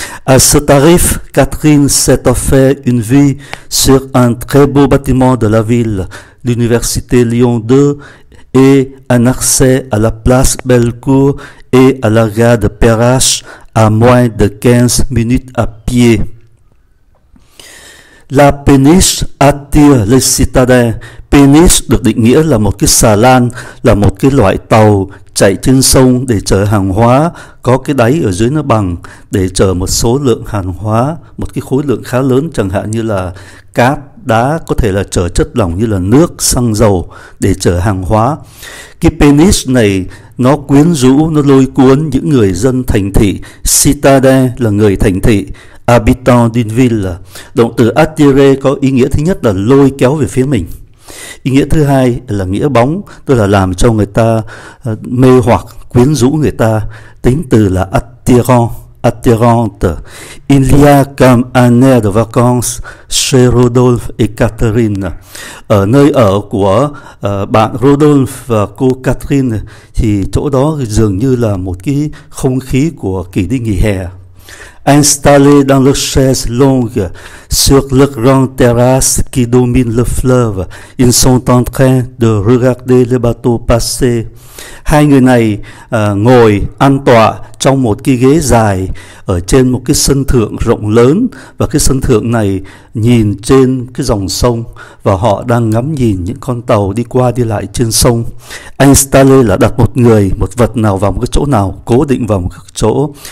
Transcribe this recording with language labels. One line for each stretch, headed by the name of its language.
French: À ce tarif, Catherine s'est offert une vue sur un très beau bâtiment de la ville, l'Université Lyon 2, et un accès à la place Bellecour et à la gare de Perrache à moins de 15 minutes à pied. La péniche attire les citadins.
Vietnamese: Péniche được định nghĩa là một cái xà lan, là một cái loại tàu chạy trên sông để chở hàng hóa, có cái đáy ở dưới nó bằng để chở một số lượng hàng hóa, một cái khối lượng khá lớn, chẳng hạn như là cát, đá, có thể là chở chất lỏng như là nước, xăng dầu để chở hàng hóa. Cái péniche này nó quyến rũ, nó lôi cuốn những người dân thành thị. Citadin là người thành thị,
French: habitant d'une ville.
Vietnamese: Động từ attirer có ý nghĩa thứ nhất là lôi kéo về phía mình. Ý nghĩa thứ hai là nghĩa bóng, tức là làm cho người ta mê hoặc, quyến rũ người ta. Tính từ là attirant, attirante.
French: Il y a comme un air de vacances chez Rodolphe et Catherine.
Vietnamese: Ở nơi ở của bạn Rodolphe và cô Catherine thì chỗ đó dường như là một cái không khí của kỳ đi nghỉ hè.
French: Installé dans leurs chaises longues sur leur grande terrasse qui domine le fleuve, ils sont en train de regarder le bateau passer.
Vietnamese: Hai người này ngồi an tọa trong một cái ghế dài ở trên một cái sân thượng rộng lớn, và cái sân thượng này nhìn trên cái dòng sông, và họ đang ngắm nhìn những con tàu đi qua đi lại trên sông. Installé là đặt một người, một vật nào vào một cái chỗ nào, cố định vào một cái chỗ.